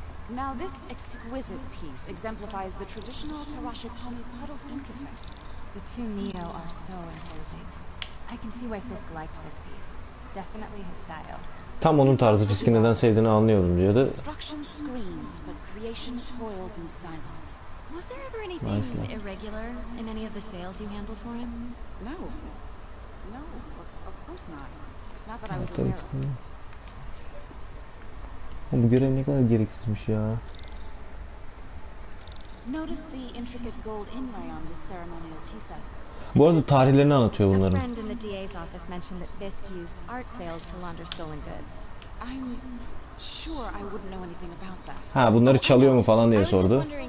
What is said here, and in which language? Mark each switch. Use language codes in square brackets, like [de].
[en] Now this exquisite piece exemplifies the traditional Tarashikami puddle ink effect. The two Neo are so imposing. I can see why Fisk liked this piece. Definitely his style. [tr] Tam onun tarzı, Fisk'in neden sevdiğini anlıyorum diyordu. [en] Destruction screams, but creation toils in silence. Was there ever anything irregular in any of the sales you handled for him? No. No, of course not. Not that I was aware of. [tr] Bu görev ne kadar gereksizmiş ya. Bu arada tarihlerini anlatıyor bunların. [en] A friend in the DA's office mentioned that Fisk used art sales to launder stolen goods. I'm sure I wouldn't know anything about that. [tr] Ha, bunları çalıyor mu falan diye sordu.